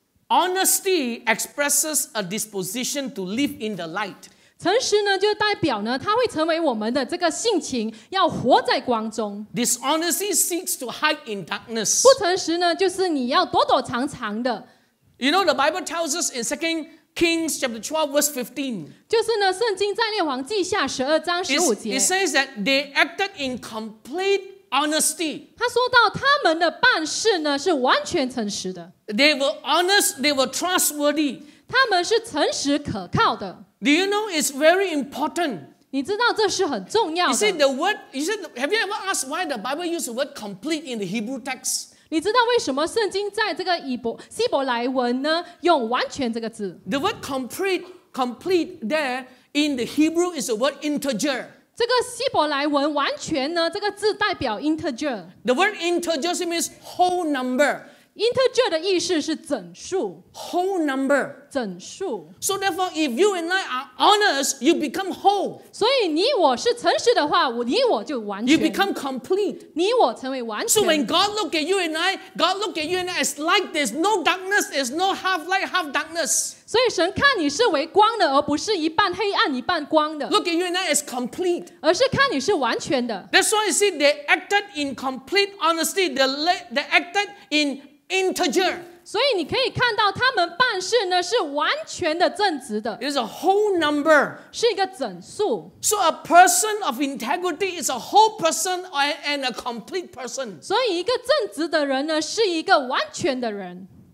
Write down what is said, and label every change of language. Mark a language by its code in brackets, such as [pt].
[en] Honesty expresses a disposition to live in the light. [zh] 诚实呢，就代表呢，它会成为我们的这个性情，要活在光中。 [en] Dishonesty seeks to hide in darkness. [zh] 不诚实呢，就是你要躲躲藏藏的。 [en] You know the Bible tells us in 2 Kings chapter 12 verse 15. [zh] 就是呢，圣经在列王记下十二章十五节。 [en] It says that they acted in complete honesty. [zh] 他说到他们的办事呢，是完全诚实的。 [en] They were honest, they were trustworthy. [zh] 他们是诚实可靠的。 [en] Do you know it's very important? [zh] 你知道这是很重要的。 [en] You see the word, you see, have you ever asked why the Bible used the word complete in the Hebrew text? [zh] 你知道为什么圣经在这个希伯来文呢，用完全这个字？ [en] The word complete there in the Hebrew is the word integer. [zh] 这个希伯来文完全呢，这个字代表 integer。 [en] The word integer means whole number. [zh] Integer 的意思是整数。 [en] Whole number. [zh] 整数。 [en] So therefore, if you and I are honest, you become whole. [zh] 所以你我是诚实的话，你我就完全。 [en] You become complete. [zh] 你我成为完全。 [en] So when God look at you and I, God look at you and I as like this, no darkness, there's no half light, half darkness. [zh] 所以神看你是为光的，而不是一半黑暗一半光的。 [en] Look at you now is complete， [zh] 而是看你是完全的。 [en] That's why you see they acted in complete honesty. They acted in integer. [zh] 所以你可以看到他们办事呢是完全的正直的。 [en] It's a whole number， [zh] 是一个整数。 [en] So a person of integrity is a whole person and a complete person. [zh] 所以一个正直的人呢是一个完全的人。